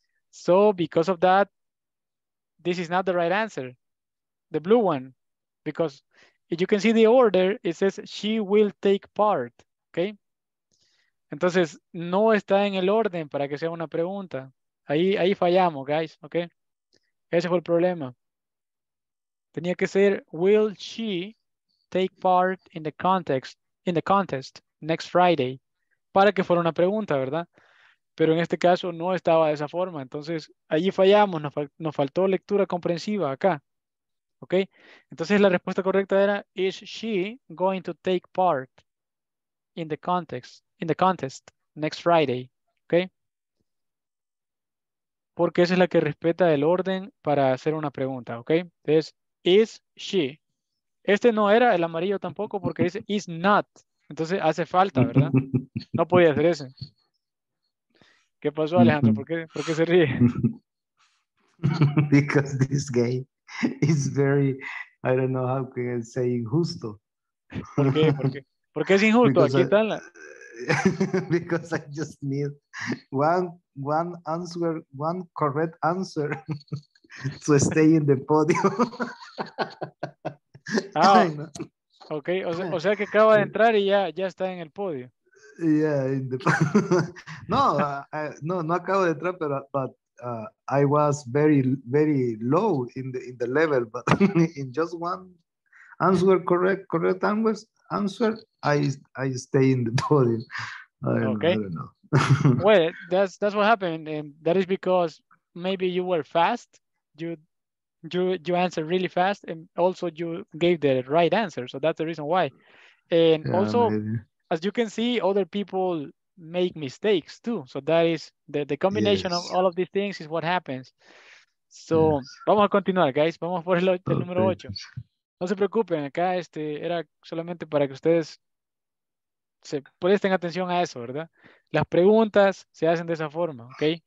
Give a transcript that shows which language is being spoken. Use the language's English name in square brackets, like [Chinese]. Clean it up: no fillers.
[English] So, because of that, this is not the right answer. The blue one. Because if you can see the order, it says she will take part, ok? [Spanish] Entonces, no está en el orden para que sea una pregunta. Ahí fallamos, guys, ok? Ese fue el problema. Tenía que ser, [English] will she take part in the context, in the contest next Friday? [Spanish] Para que fuera una pregunta, ¿verdad? Pero en este caso no estaba de esa forma. Entonces, allí fallamos. Nos faltó lectura comprensiva acá. ¿Ok? Entonces, la respuesta correcta era, [English] is she going to take part in the context, in the contest next Friday? [Spanish] ¿Ok? Porque esa es la que respeta el orden para hacer una pregunta. ¿Ok? Entonces, [English] is she. [Spanish] Este no era el amarillo tampoco porque dice is not. Entonces hace falta, ¿verdad? No podía hacer ese. ¿Qué pasó, Alejandro? ¿Por qué se ríe? [English] Because this guy is very, I don't know how can I say, [Spanish] injusto. ¿Por qué es injusto? [English] Because [Spanish] aquí están. [English] Because I just need one answer, one correct answer. To stay in the podium. [Spanish] Ah, ok, o sea que acaba de entrar y ya está en el podio. [English] Yeah, in the [Spanish] no acabo de entrar, pero [English] I was very very low in the level, but in just one answer correct answer I stay in the podium. I don't know. Well, that's what happened, and that is because maybe you were fast. You answered really fast, and also you gave the right answer. So that's the reason why. And yeah, also, maybe. As you can see, other people make mistakes too. So that is the combination, yes, of all of these things is what happens. So yes. [Spanish] Vamos a continuar, guys. Vamos por el okay. Número 8. No se preocupen. Acá era solamente para que ustedes se presten atención a eso, ¿verdad? Las preguntas se hacen de esa forma, ¿ok?